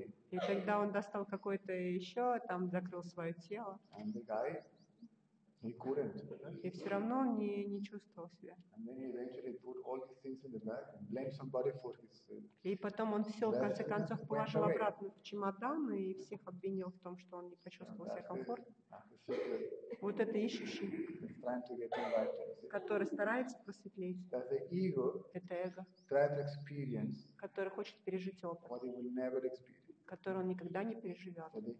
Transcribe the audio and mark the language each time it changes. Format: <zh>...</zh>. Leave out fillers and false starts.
<ru>И тогда он достал какое-то еще, там закрыл свое тело.</ru> <en>And the guy, he couldn't.</en> <ru>И все равно он не чувствовал себя.</ru> <en>And then he eventually put all these things in the bag and blamed somebody for his.</en> <ru>И потом он все в конце концов положил обратно в чемодан и всех обвинил в том, что он не почувствовал себя комфортно. Вот это ищущий, который старается посветлеть, это эго, который хочет пережить опыт, который он никогда не переживет.</ru>